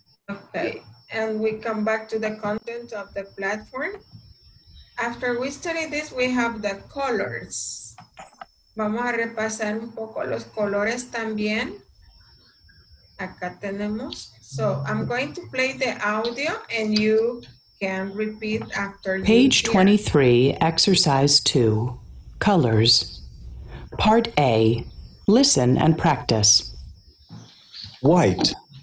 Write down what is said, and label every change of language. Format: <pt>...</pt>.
<en>Okay, and we come back to the content of the platform. After we study this, we have the colors.</en> <es>Vamos a repasar un poco los colores también. Acá tenemos.</es> <en>So, I'm going to play the audio and you can repeat after you. Page 23, exercise 2. Colors. Part A. Listen and practice. White.</en>